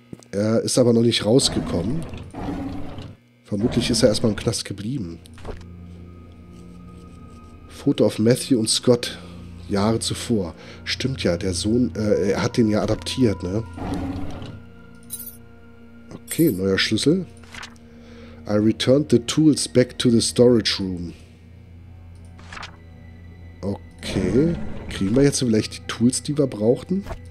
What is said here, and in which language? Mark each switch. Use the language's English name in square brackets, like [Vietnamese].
[German] Er ist aber noch nicht rausgekommen. Vermutlich ist er erstmal im Knast geblieben. Foto auf Matthew und Scott. Jahre zuvor. Stimmt ja, der Sohn, er hat den ja adaptiert, ne? Okay, neuer Schlüssel. [English] I returned the tools back to the storage room. Okay. [German] Kriegen wir jetzt vielleicht die Tools, die wir brauchten?